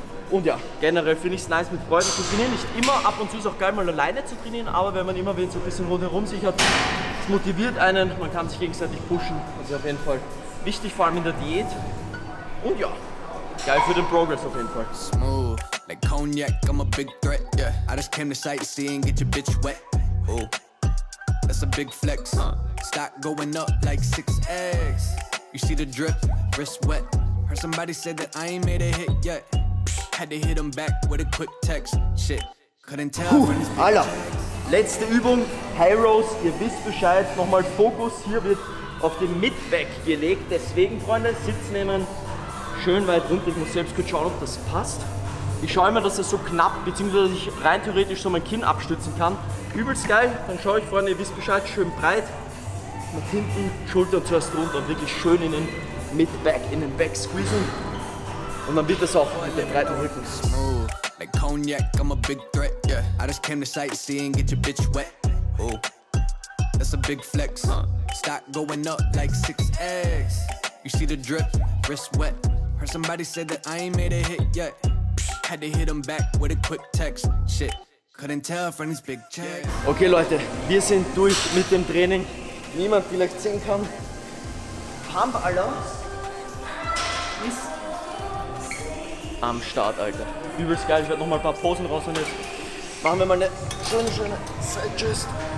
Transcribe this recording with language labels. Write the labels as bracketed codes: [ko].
[de] Und ja, generell finde ich es nice, mit Freunden zu trainieren. Nicht immer, ab und zu ist auch geil, mal alleine zu trainieren, aber wenn man immer wieder so ein bisschen rundherum sich hat, es motiviert einen, man kann sich gegenseitig pushen. Das ist auf jeden Fall wichtig, vor allem in der Diät. Und ja, geil für den Progress auf jeden Fall. [en] Smooth, like cognac, I'm a big threat, yeah. I just came to sightsee and get your bitch wet. Oh. That's a big flex, stock going up like 6x. You see the drip, wrist wet. Heard somebody say that I ain't made a hit yet. Had to hit him back with a quick text. Shit. Couldn't tell. [de] Alter, letzte Übung. High Rows, ihr wisst Bescheid. Nochmal Fokus. Hier wird auf den Mid-Back gelegt. Deswegen, Freunde, Sitz nehmen. Schön weit runter. Ich muss selbst kurz schauen, ob das passt. Ich schaue immer, dass es so knapp, beziehungsweise ich rein theoretisch so mein Kinn abstützen kann. Übelst geil. Dann schaue ich, Freunde, ihr wisst Bescheid. Schön breit. Nach hinten, Schultern zuerst runter und wirklich schön in den Mid-Back, in den Back squeezen. Und dann wird das auch heute breiter Rücken. [en] Like cognac, I'm a big threat, yeah. I just came to sightsee and get your bitch wet. Oh, that's a big flex. Stock going up like 6x. You see the drip, wrist wet. Heard somebody say that I ain't made a hit yet. Had to hit him back with a quick text. Shit, couldn't tell from his big check. [de] Okay, Leute, wir sind durch mit dem Training. Niemand vielleicht sehen kann. Pump, Alter. Ist am Start, Alter. Übelst geil, ich werde nochmal ein paar Posen raus und jetzt machen wir mal eine schöne, schöne Side-Chest.